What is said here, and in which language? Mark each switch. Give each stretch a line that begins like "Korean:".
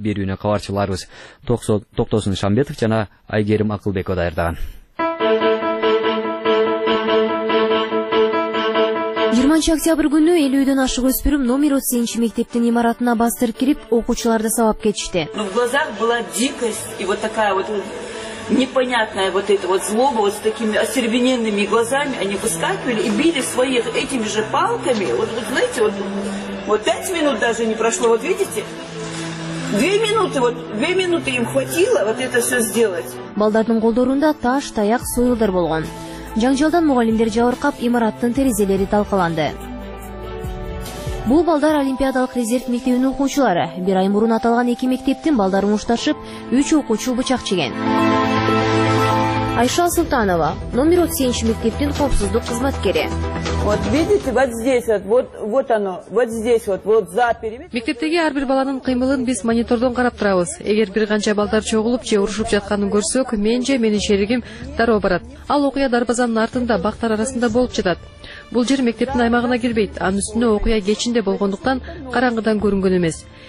Kyrgyz: Берүүнү кабарчыларыбыз Токтосун Шамбетов жана Айгерим Акылбекова даярдаган. 20-октябрь күнү 50-дөн ашык өспүрүм номер 32 мектептин имаратына бастырып кирип, окуучуларды сабап кетишти.
Russian: В глазах была дикость и вот такая вот непонятная вот эта вот злоба, вот с такими остервененными глазами они выскакивали и били своих этими же палками. Вот, вот знаете, вот, вот 5 минут даже не прошло, вот видите? 2 минуты, вот 2 минуты им хватило вот это все сделать.
Kyrgyz: Балдардын колдорунда таш, таяк, союлдар болгон. Жаңжалдан мугалимдер жабыркап, имараттын терезелери талкаланды. Бул балдар олимпиадалык резерв мектебинин окуучулары. Бир ай мурун аталган эки мектептин балдары мушташып, 3 окуучу бычак чеген. Айша Султанова, номер 32 мектептин коопсуздук кызматкери.
Russian: Вот видите, вот здесь вот, вот оно, вот здесь вот, вот за периметр.
Kyrgyz: Мектептеги ар бир баланын кыймылын биз монитордон карап турабыз. Эгер бир канча балдар чогулуп же урушуп жатканын көрсөк, мен же менин шеригим дароо барат. Ал окуя дарбазанын артында, бактар арасында болуп жатат. Бул жер мектептин аймагына кирбейт, анын үстүнө окуя кечинде болгондуктан караңгыдан көрүнгөн эмес.